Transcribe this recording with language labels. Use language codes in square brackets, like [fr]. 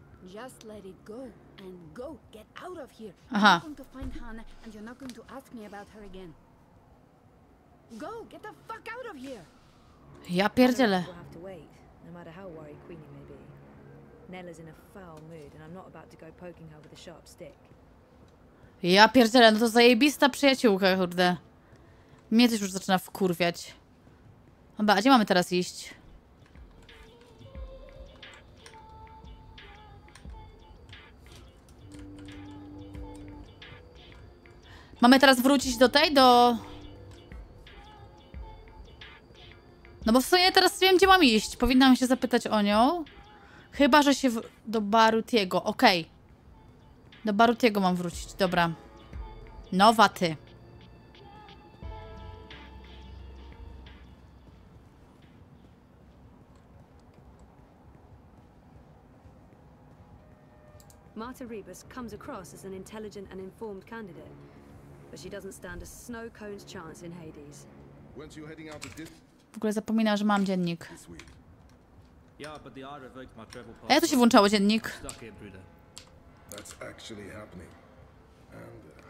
[en] Just let it go, and go. Get out of here. Uh-huh. You're not going to find Hannah, and you're not going to ask me about her again. Go, get the fuck out of here. [pl] Ja pierdzielę. [en] We'll have to wait, no matter how worried Queenie may be. Nella's in a foul mood, and I'm not about to go poking her with a sharp stick. [pl] Ja pierdzielę, no to zajebista przyjaciółka, kurde. Mnie też już zaczyna wkurwiać. Dobra, a gdzie mamy teraz iść? Mamy teraz wrócić do tej, do... No bo w sumie teraz wiem, gdzie mam iść. Powinnam się zapytać o nią. Chyba, że się do Barutiego. Okej. Okay. Do Barutiego mam wrócić, dobra. Nowa ty. [en] Marta Rebus comes across as an intelligent and informed candidate, but she doesn't stand a snow cone's chance in Hades. Weren't you heading out of this? [pl] W ogóle zapominam, że mam dziennik. [en] Yeah, but the art revoked my travel pass. [pl] Ja to się włączało dziennik. [en] That's actually happening. And